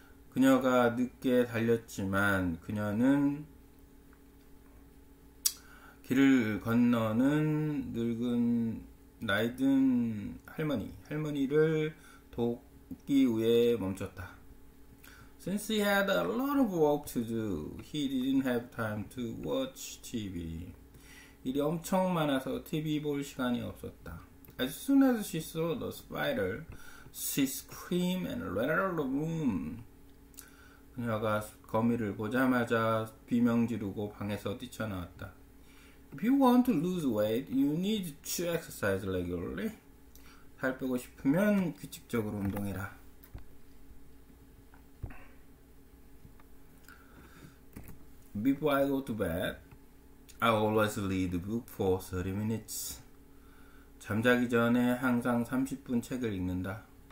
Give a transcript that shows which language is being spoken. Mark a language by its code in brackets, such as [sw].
[ko] 그녀가 늦게 달렸지만 그녀는 길을 건너는 늙은 나이든 할머니를 돕기 위해 멈췄다. [en] Since he had a lot of work to do, he didn't have time to watch TV. [ko] 일이 엄청 많아서 TV 볼 시간이 없었다. [en] As soon as she saw the spider, she screamed and ran out of the room. [ko] 그녀가 거미를 보자마자 비명 지르고 방에서 뛰쳐나왔다. [en] If you want to lose weight, you need to exercise regularly. [ko] 살 빼고 싶으면 규칙적으로 운동해라. [en] 'Before I go to bed, I always read a book for 30 minutes. [ko] 잠자기 전에 항상 30분 책을 읽는다.